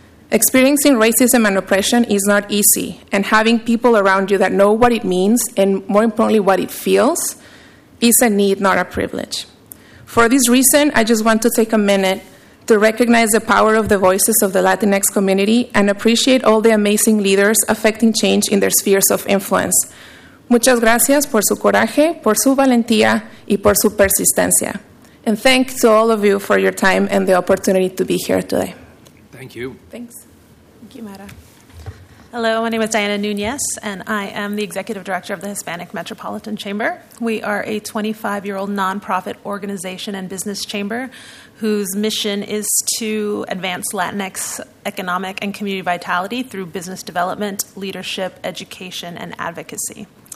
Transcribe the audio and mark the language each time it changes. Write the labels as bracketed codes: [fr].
[en] Experiencing racism and oppression is not easy, and having people around you that know what it means, and more importantly, what it feels, is a need, not a privilege. For this reason, I just want to take a minute to recognize the power of the voices of the Latinx community and appreciate all the amazing leaders affecting change in their spheres of influence. [es] Muchas gracias por su coraje, por su valentía, y por su persistencia. [en] And thanks to all of you for your time and the opportunity to be here today. Thank you. Thanks. Thank you, Mara. Hello, my name is Diana Nunez, and I am the Executive Director of the Hispanic Metropolitan Chamber. We are a 25-year-old nonprofit organization and business chamber whose mission is to advance Latinx economic and community vitality through business development, leadership, education, and advocacy.